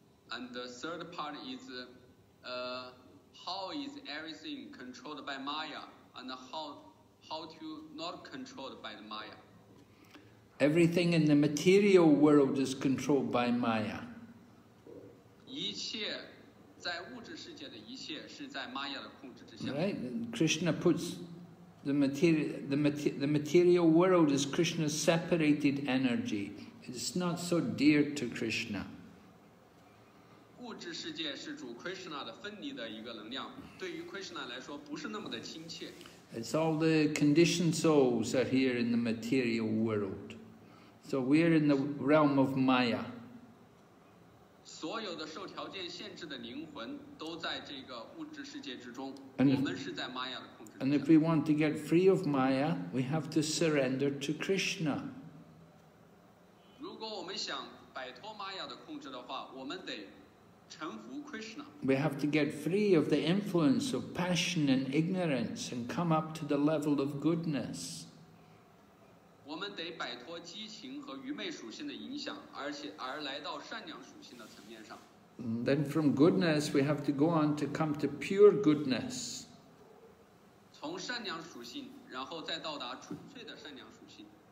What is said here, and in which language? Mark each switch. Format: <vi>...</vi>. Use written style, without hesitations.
<en>And the third part is, how is everything controlled by Maya, and how to not controlled by the Maya? Everything in the material world is controlled by Maya.</en> <zh>一切在物质世界的一切是在 Maya 的控制之下。</zh> <en>Right, Krishna puts the material world is Krishna's separated energy. It's not so dear to Krishna.</en> <zh>物质世界是主 Krishna 的分离的一个能量，对于 Krishna 来说不是那么的亲切。</zh> <en>It's all the conditioned souls are here in the material world. So we are in the realm of Maya.</en> <zh>所有的受条件限制的灵魂都在这个物质世界之中，我们是在 Maya 的控制。</zh> <en>And if we want to get free of Maya, we have to surrender to Krishna.</en> <zh>如果我们想摆脱 Maya 的控制的话，我们得臣服 Krishna.</zh> <en>We have to get free of the influence of passion and ignorance and come up to the level of goodness.</en> <zh>我们得摆脱激情和愚昧属性的影响，而来到善良属性的层面上。</zh> <en>Then from goodness, we have to go on to come to pure goodness.</en> <zh>从善良属性，然后再到达纯粹的善良属性。</zh>